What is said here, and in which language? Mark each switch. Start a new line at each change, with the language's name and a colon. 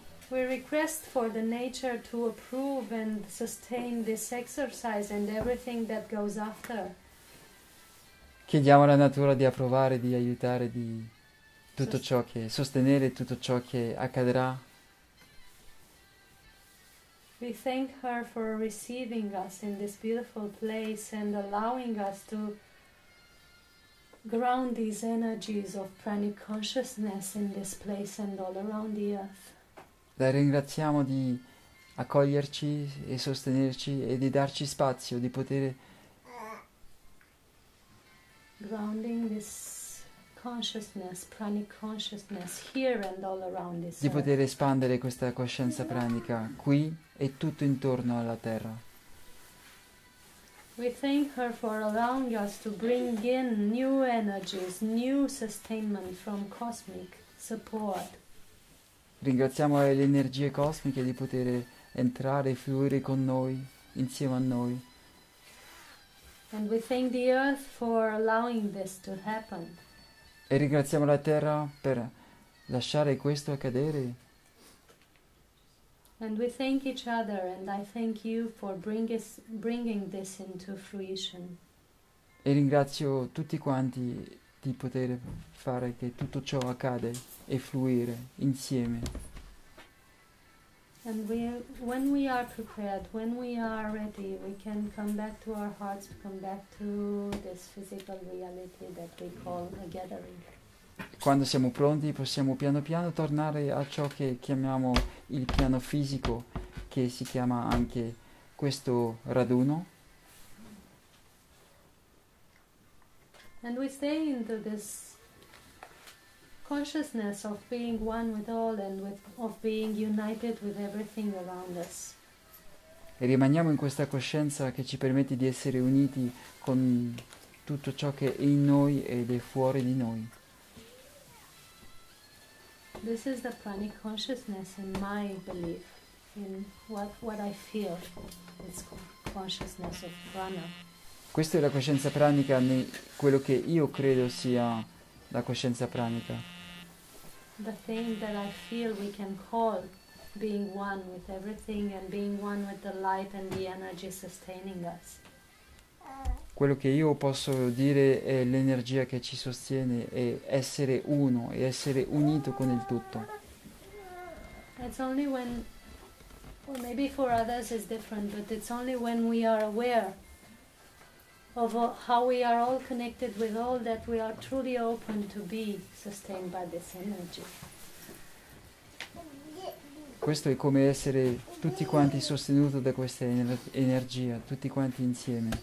English: We request for the nature to approve and sustain this exercise and everything that goes after.
Italian: Chiediamo alla natura di approvare, di aiutare, di tutto ciò che sostenere tutto ciò che accadrà.
English: We thank her for receiving us in this beautiful place and allowing us to ground these energies of pranic consciousness in this place and all around the earth.
Italian: La ringraziamo di accoglierci e sostenerci e di darci spazio, di poter
English: Grounding this consciousness, pranic consciousness, here and all around this earth.
Italian: espandere questa coscienza pranica qui e tutto intorno alla terra.
English: We thank her for allowing us to bring in new energies, new sustainment from cosmic support.
Italian: Ringraziamo le energie cosmiche di poter entrare e fluire con noi, insieme a noi.
English: And we thank the earth for allowing this to happen.
Italian: E ringraziamo la Terra per lasciare questo accadere.
English: And we thank each other, and I thank you for bringing this into fruition.
Italian: E ringrazio tutti quanti di poter fare che tutto ciò accade e fluire insieme.
English: And when we are prepared, when we are ready, we can come back to our hearts, come back to this physical reality that we call a gathering.
Italian: Quando siamo pronti possiamo piano piano tornare a ciò che chiamiamo il piano fisico, che si chiama anche questo raduno.
English: And we stay into this consciousness of being one with all and of being united with everything around us.
Italian: E rimaniamo in questa coscienza che ci permette di essere uniti con tutto ciò che è in noi ed è fuori di noi.
English: This is the pranic consciousness in my belief, in what I feel, this consciousness of prana.
Italian: Questa è la coscienza pranica, quello che io credo sia la coscienza pranica.
English: The thing that I feel we can call being one with everything and being one with the light and the energy sustaining us.
Italian: Quello che io posso dire è l'energia che ci sostiene, è essere uno, è essere unito con il tutto.
English: It's only when, or maybe for others it's different, but it's only when we are aware of how we are all connected with all that we are truly open to be sustained by this energy.
Italian: Questo è come essere tutti quanti sostenuti da questa energia, tutti quanti insieme.